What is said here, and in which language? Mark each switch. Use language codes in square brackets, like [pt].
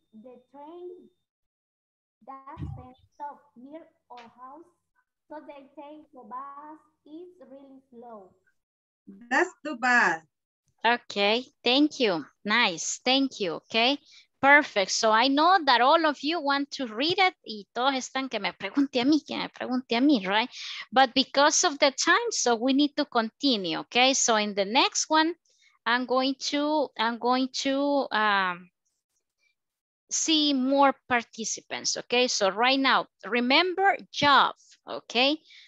[en] The train doesn't stop near our house, so they take the bus. It's really slow. That's too bad. Okay, thank you. Nice, thank you. Okay. Perfect. So I know that all of you want to read it. [es] Y todos están que me pregunte a mí, right? [en] But because of the time, so we need to continue. Okay. So in the next one, I'm going to see more participants. Okay. So right now, remember job. Okay.